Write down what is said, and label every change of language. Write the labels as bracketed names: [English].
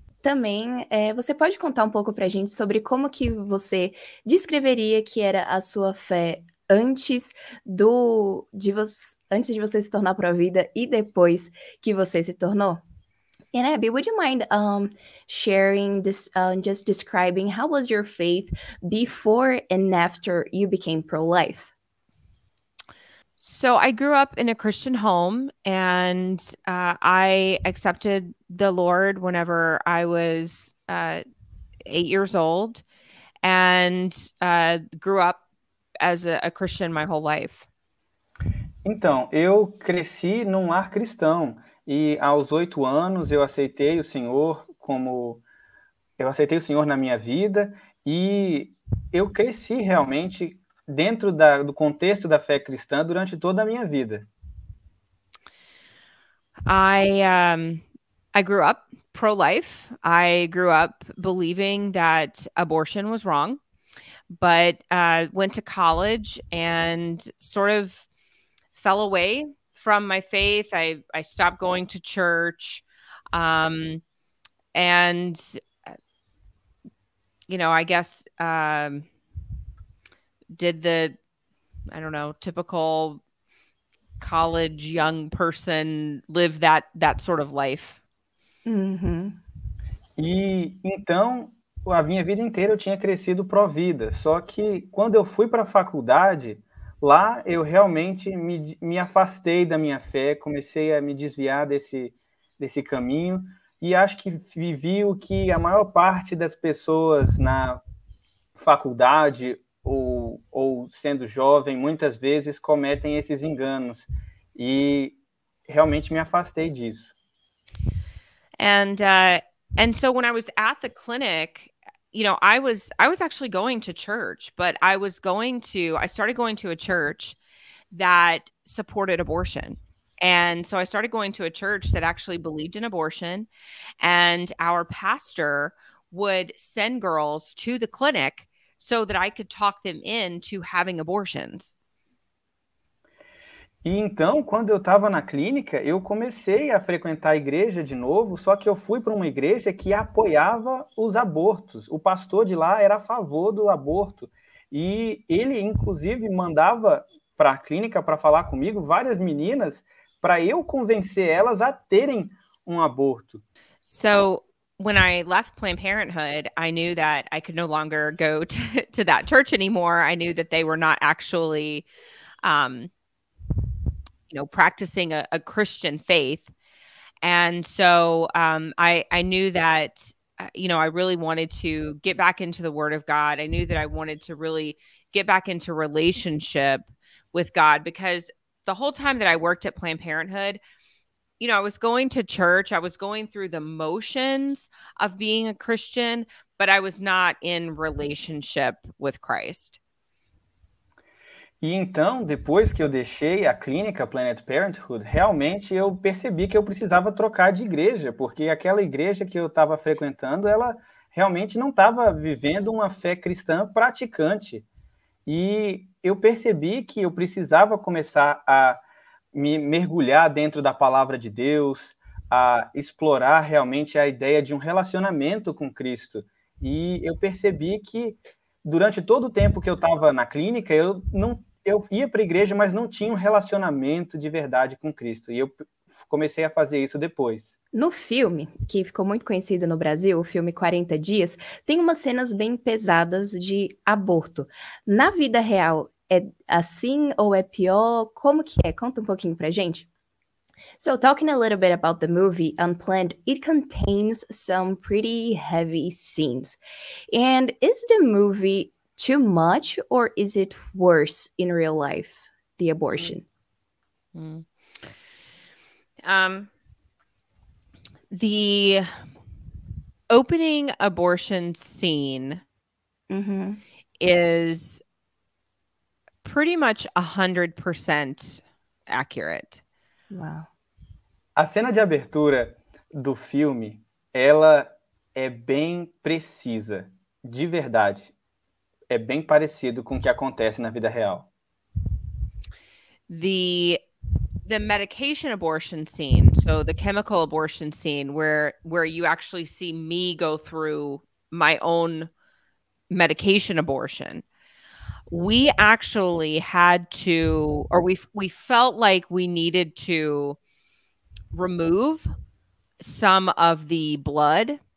[Portuguese] Também, você pode contar um pouco pra gente sobre como que você descreveria que era a sua fé antes de você se tornar pró-vida e depois que você se tornou? [English] And Abby, would you mind sharing this, just describing how was your faith before and after you became pro-life? So I grew up in a Christian home, and I accepted the Lord whenever I was 8 years old, and grew up as a Christian my whole life. [Portuguese] Então, eu cresci num lar cristão, e aos 8 anos eu aceitei o Senhor na minha vida, e eu cresci realmente dentro do contexto da fé cristã durante toda a minha vida. [English] I grew up pro-life. I grew up believing that abortion was wrong, but went to college and sort of fell away from my faith. I stopped going to church, and you know, I guess did the, I don't know, typical college young person live that sort of life. [Portuguese] Uhum. E então, a minha vida inteira eu tinha crescido pró-vida, só que quando eu fui para a faculdade, lá eu realmente me afastei da minha fé, comecei a me desviar desse caminho, e acho que vivi o que a maior parte das pessoas na faculdade ou sendo jovem, muitas vezes cometem esses enganos, e realmente me afastei disso. [English] And so when I was at the clinic, you know, I was actually going to church, but I started going to a church that supported abortion. And so I started going to a church that actually believed in abortion. And our pastor would send girls to the clinic so that I could talk them into having abortions. [Portuguese] E então, quando eu estava na clínica, eu comecei a frequentar a igreja de novo, só que eu fui para uma igreja que apoiava os abortos. O pastor de lá era a favor do aborto. E ele, inclusive, mandava para a clínica para falar comigo várias meninas para eu convencer elas a terem um aborto. [English] So, when I left Planned Parenthood, I knew that I could no longer go to that church anymore. I knew that they were not actually... practicing a Christian faith. And so I knew that, I really wanted to get back into the Word of God. I knew that I wanted to really get back into relationship with God, because the whole time that I worked at Planned Parenthood, I was going to church, I was going through the motions of being a Christian, but I was not in relationship with Christ. [Portuguese] E então, depois que eu deixei a clínica Planned Parenthood, realmente eu percebi que eu precisava trocar de igreja, porque aquela igreja que eu estava frequentando, ela realmente não estava vivendo uma fé cristã praticante. E eu percebi que eu precisava começar a me mergulhar dentro da palavra de Deus, a explorar realmente a ideia de um relacionamento com Cristo. E eu percebi que... durante todo o tempo que eu estava na clínica, eu ia para a igreja, mas não tinha um relacionamento de verdade com Cristo. E eu comecei a fazer isso depois. No filme, que ficou muito conhecido no Brasil, o filme 40 Dias, tem umas cenas bem pesadas de aborto. Na vida real, é assim ou é pior? Como que é? Conta um pouquinho para a gente. [English] So, talking a little bit about the movie Unplanned, it contains some pretty heavy scenes. And is the movie too much, or is it worse in real life, the abortion? The opening abortion scene is pretty much 100% accurate. Wow. [Portuguese] A cena de abertura do filme, ela é bem precisa, de verdade. É bem parecido com o que acontece na vida real. [English] The medication abortion scene, so the chemical abortion scene, where you actually see me go through my own medication abortion. We actually had to, or we felt like we needed to remove some of the blood.